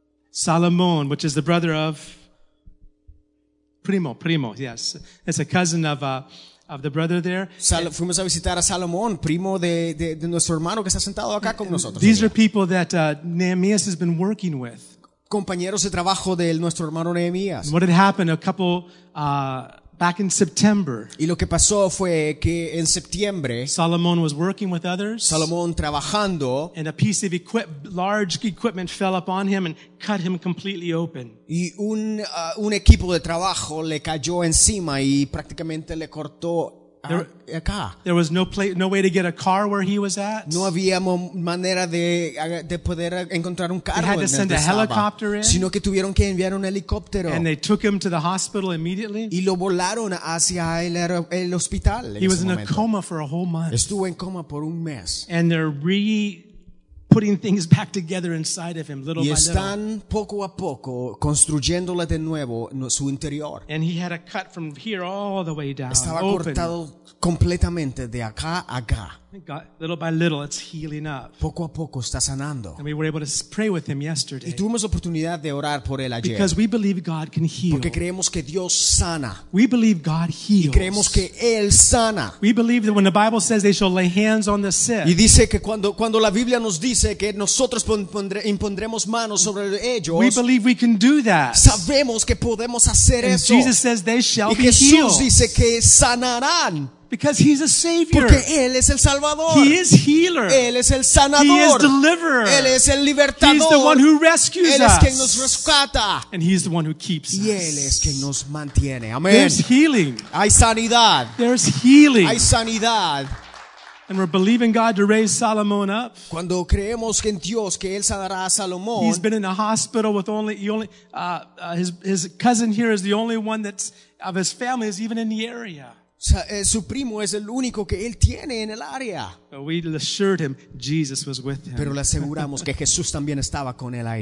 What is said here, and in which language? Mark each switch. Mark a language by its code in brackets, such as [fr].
[en] Salomón, which is the brother of Primo, yes. It's a cousin of the brother there. [es] Fuimos a visitar a Salomón, primo de nuestro hermano que está sentado acá con nosotros. [en] These are people that Nehemias has been working with. [es] Compañeros de trabajo de nuestro hermano Nehemias. [en] What had happened a couple back in September. [es] Y lo que pasó fue que en septiembre [en] Salomón was working with others. [es] Salomón trabajando. [en] And a piece of large equipment fell upon him and cut him completely open. [es] Y un equipo de trabajo le cayó encima y prácticamente le cortó [en] There was no place, no way to get a car where he was at. [es] No había manera de poder encontrar un carro. [en] They had to send a helicopter in. [es] Sino que tuvieron que enviar un helicóptero. [en] And they took him to the hospital immediately. [es] Y lo volaron hacia el hospital. [en] He was in a coma for a whole month. [es] Estuvo en coma por un mes. [en] And they're putting things back together inside of him, little by little. [es] Y están poco a poco construyéndole de nuevo su interior. [en] And he had a cut from here all the way down. [es] Estaba cortado completamente de acá a acá. [en] Little by little, it's healing up. [es] Poco a poco está sanando. [en] And we were able to pray with him yesterday. [es] Y tuvimos oportunidad de orar por él ayer. [en] Because we believe God can heal. [es] Porque creemos que Dios sana. [en] We believe God heals. [es] Y creemos que él sana. [en] We believe that when the Bible says they shall lay hands on the sick. [es] Y dice que cuando la Biblia nos dice que nosotros impondremos manos sobre ellos. [en] We believe we can do that. [es] Sabemos que podemos hacer [en] and [es] eso. [en] Jesus says they shall [es] y Jesús [en] be healed. [es] Dice que sanarán. [en] Because he's a savior. [es] Porque él es el salvador. [en] He is healer. [es] Él es el sanador. [en] He is deliverer. [es] Él es el libertador. [en] He's the one who rescues [es] él Él es quien nos rescata. [en] And he's the one who keeps [es] y [en] us. [es] Y él es quien nos mantiene. Amen. [en] There's healing. [es] Hay sanidad. [en] There's healing. [es] Hay sanidad. [en] And we're believing God to raise Solomon up. [es] Cuando creemos en Dios que él sanará a Salomón. [en] He's been in a hospital with his cousin here is the only one that's of his family is even in the area. [es] Su primo es el único que él tiene en el área. [en] We assured him Jesus was with him. [es] Pero le aseguramos que Jesús también estaba con él ahí.